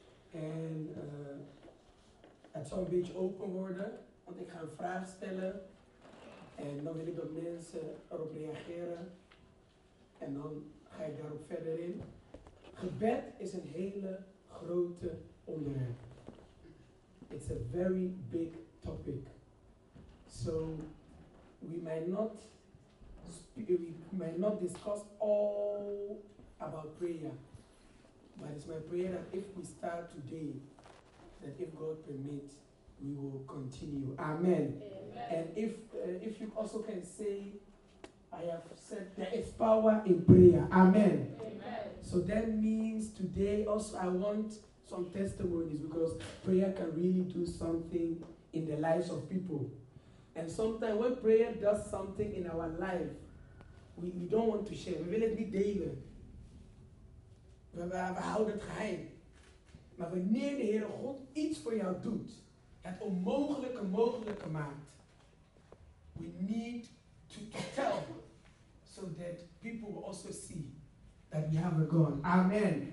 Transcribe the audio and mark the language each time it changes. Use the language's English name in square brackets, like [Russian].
[Dutch] En het zal een beetje open worden. Want ik ga een vraag stellen. En dan wil ik dat mensen erop reageren. En dan ga ik daarop verder in. Gebed is een hele grote onderwerp. [English] It's a very big topic. So we might not discuss all about prayer. But it's my prayer that if we start today, that if God permits, we will continue. Amen. And if you also can say, I have said there is power in prayer. Amen. So that means today also I want some testimonies, because prayer can really do something in the lives of people. And sometimes when prayer does something in our life, we don't want to share. We will be [Dutch] delen. We houden het geheim. Maar wanneer de Heere God iets voor jou doet, het onmogelijke mogelijk maakt, [English] we need to tell so that people will also see that we have a God. Amen.